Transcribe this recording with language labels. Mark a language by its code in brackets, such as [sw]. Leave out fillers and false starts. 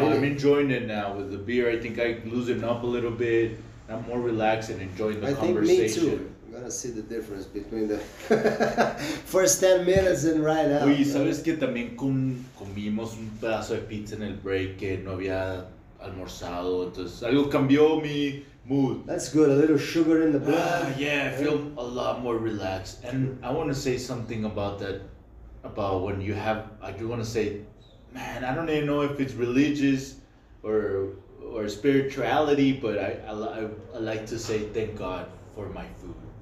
[en] Really? I'm enjoying it now with the beer. I think I loosened up a little bit. I'm more relaxed and enjoying the conversation. I think me too. I'm gonna see the difference between the first 10 minutes and right now. [es] Oye, ¿sabes que también comimos un pedazo de pizza en el break que no había almorzado? Entonces, algo cambió mi mood. [en] That's good. A little sugar in the blood. Yeah, I feel a lot more relaxed. And I want to say something about that. About when you have, I do want to say, man, I don't even know if it's religious or spirituality, but I like to say thank God for my food.